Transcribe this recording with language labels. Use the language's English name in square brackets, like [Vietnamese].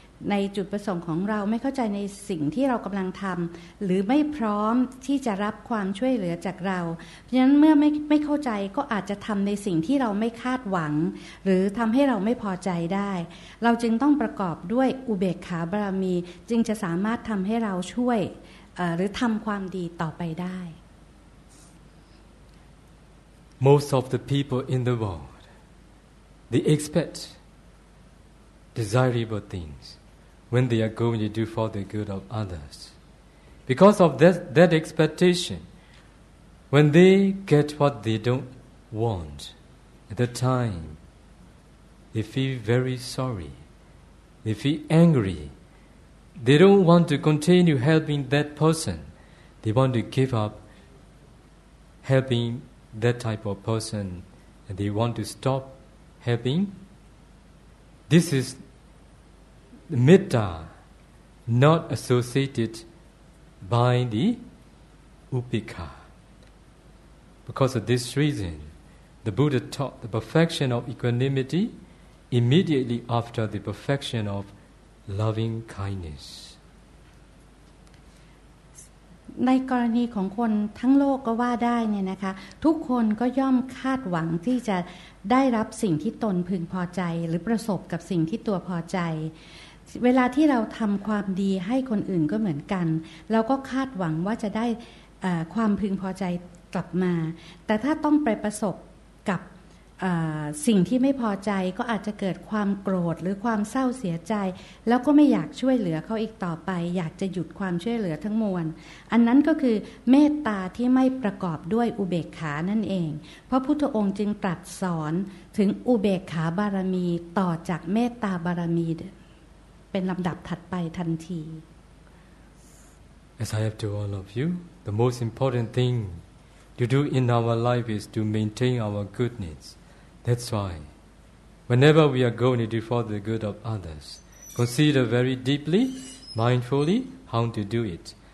[Thai] ในจุดประสงค์ของเราไม่เข้าใจในสิ่งที่เรากำลังทำหรือไม่พร้อมที่จะรับความช่วยเหลือจากเราเพราะฉะนั้นเมื่อไม่เข้าใจก็อาจจะทำในสิ่งที่เราไม่คาดหวังหรือทำให้เราไม่พอใจได้เราจึงต้องประกอบด้วยอุเบกขาบารมีจึงจะสามารถทำให้เราช่วยหรือทำความดีต่อไปได้ [English] Most of the people in the world they expect desirable thingswhen they are going to do for the good of others. Because of that expectation, when they get what they don't want, at that time, they feel very sorry. They feel angry. They don't want to continue helping that person. They want to give up helping that type of person, and they want to stop helping. This isMitta, not associated by the upekkha. Because of this reason, the Buddha taught the perfection of equanimity immediately after the perfection of loving kindness. [Thai] ในกรณีของคนทั้งโลกก็ว่าได้เนี่ยนะคะทุกคนก็ย่อมคาดหวังที่จะได้รับสิ่งที่ตนพึงพอใจหรือประสบกับสิ่งที่ตัวพอใจเวลาที่เราทำความดีให้คนอื่นก็เหมือนกันเราก็คาดหวังว่าจะได้ความพึงพอใจกลับมาแต่ถ้าต้องไปประสบกับ สิ่งที่ไม่พอใจก็อาจจะเกิดความโกรธหรือความเศร้าเสียใจแล้วก็ไม่อยากช่วยเหลือเขาอีกต่อไปอยากจะหยุดความช่วยเหลือทั้งมวลอันนั้นก็คือเมตตาที่ไม่ประกอบด้วยอุเบกขานั่นเองเพราะพุทธองค์จึงตรัสสอนถึงอุเบกขาบารมีต่อจากเมตตาบารมีเป็นลำดับถัดไปทันที [English] As I have told all of you, the most important thing to do in our life is to maintain our goodness. That's why, whenever we are going to do for the good of others, consider very deeply, mindfully, how to do it.